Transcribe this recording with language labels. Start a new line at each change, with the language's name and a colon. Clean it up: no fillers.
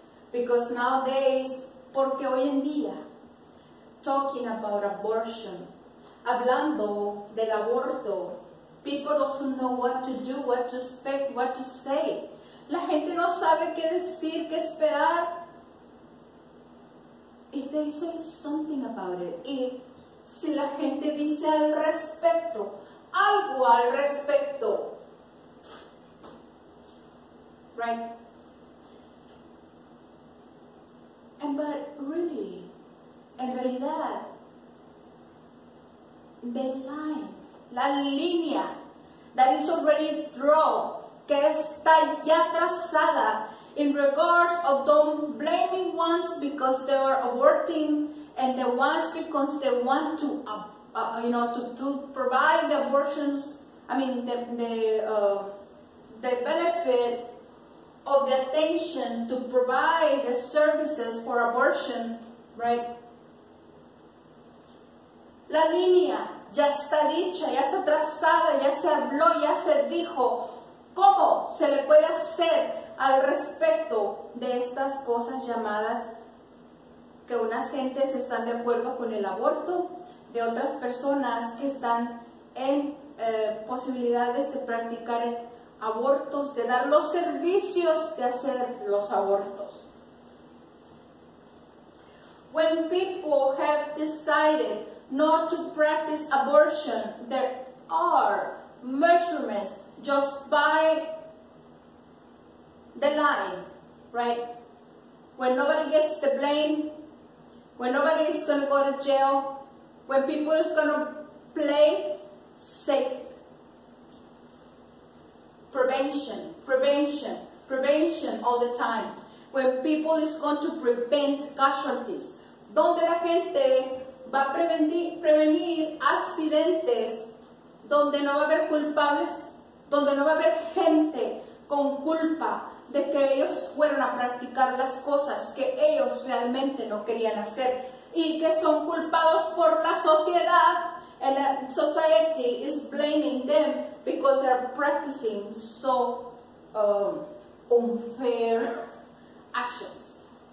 English: Because nowadays,
Spanish: porque hoy en día,
English: talking about abortion,
Spanish: hablando del aborto,
English: people also know what to do, what to expect, what to say.
Spanish: La gente no sabe qué decir, qué esperar.
English: If they say something about it,
Spanish: y si la gente dice al respecto, algo al respecto,
English: right? And but really,
Spanish: en realidad,
English: the line,
Spanish: la línea,
English: that is already drawn,
Spanish: que está ya trazada,
English: in regards of don't blaming ones because they are aborting, and the ones because they want to, to provide the abortions, I mean, the benefit of the attention to provide the services for abortion, right?
Spanish: La línea ya está dicha, ya está trazada, ya se habló, ya se dijo. ¿Cómo se le puede hacer al respecto de estas cosas llamadas que unas gentes están de acuerdo con el aborto, de otras personas que están en posibilidades de practicar abortos, de dar los servicios de hacer los abortos?
English: When people have decided not to practice abortion, there are measurements just by the line, right? When nobody gets the blame, when nobody is going to go to jail, when people is going to play safe. Prevention all the time. When people is going to prevent casualties.
Spanish: Donde la gente va a prevenir accidentes, donde no va a haber culpables, donde no va a haber gente con culpa de que ellos fueron a practicar las cosas que ellos realmente no querían hacer y que son culpados por la sociedad.
English: And the society is blaming them because they are practicing so unfair actions.